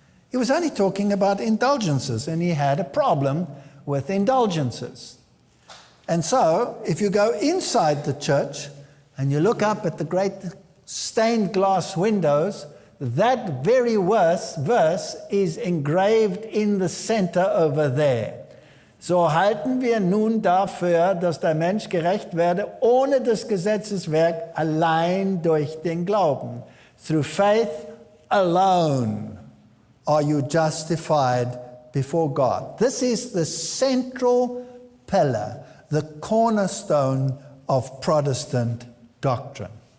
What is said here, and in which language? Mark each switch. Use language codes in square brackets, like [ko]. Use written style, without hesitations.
[en] He was only talking about indulgences, and he had a problem with indulgences. And so, if you go inside the church and you look up at the great stained glass windows, that very verse is engraved in the center over there. [de] So halten wir nun dafür, dass der Mensch gerecht werde, ohne das Gesetzeswerk, allein durch den Glauben. [en] Through faith alone are you justified before God. This is the central pillar, the cornerstone of Protestant doctrine.